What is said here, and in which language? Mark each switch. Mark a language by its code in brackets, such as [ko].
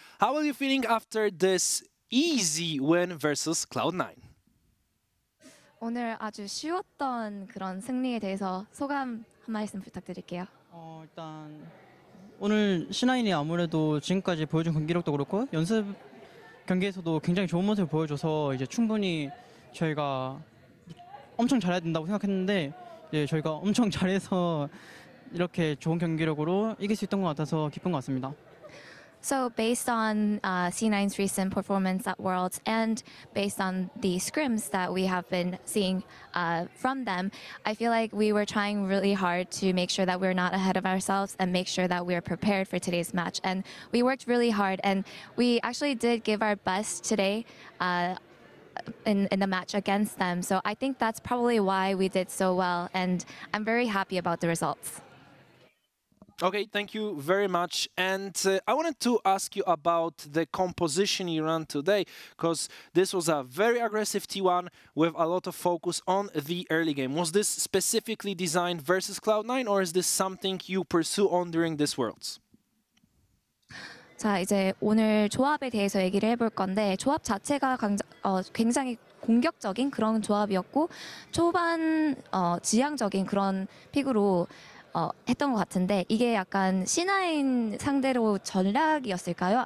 [en] How are you feeling after this easy win versus Cloud9? [ko] 오늘 아주 쉬웠던 그런 승리에 대해서 소감 한 말씀 부탁드릴게요. 일단 오늘 C9이 아무래도 지금까지 보여준 경기력도 그렇고 연습 경기에서도 굉장히 좋은 모습을 보여줘서 이제 충분히 저희가 엄청 잘해야 된다고 생각했는데 이제 저희가 엄청 잘해서 이렇게 좋은 경기력으로 이길 수 있던 것 같아서 기쁜 것 같습니다. [en] So based on C9's recent performance at Worlds and based on the scrims that we have been seeing from them, I feel like we were trying really hard to make sure that we're not ahead of ourselves and make sure that we're prepared for today's match. And we worked really hard and we actually did give our best today in the match against them. So I think that's probably why we did so well and I'm very happy about the results. Okay, thank you very much. And I wanted to ask you about the composition you ran today, because this was a very aggressive T1 with a lot of focus on the early game. Was this specifically designed versus Cloud9, or is this something you pursue on during this Worlds? [ko] 자, 이제 오늘 조합에 대해서 얘기를 해볼 건데, 조합 자체가 굉장히 공격적인 그런 조합이었고, 초반 지향적인 그런 픽으로 했던 것 같은데 이게 약간 C9 상대로 전략이었을까요?